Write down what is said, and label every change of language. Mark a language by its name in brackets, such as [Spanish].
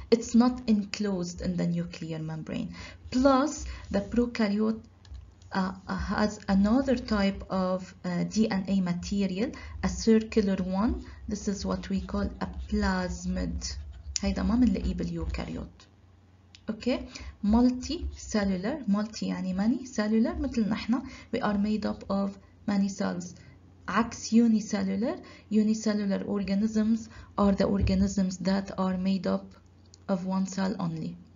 [English] It's not enclosed in the nuclear membrane. Plus, the prokaryote has another type of DNA material, a circular one. This is what we call a plasmid. [Arabic] هيدا ما منلاقيه باليوكاريوت. [English] Okay, multicellular, multi يعني many cellular, [Arabic] مثل نحنا. [English] We are made up of many cells. عكس unicellular, unicellular organisms are the organisms that are made up of one cell only.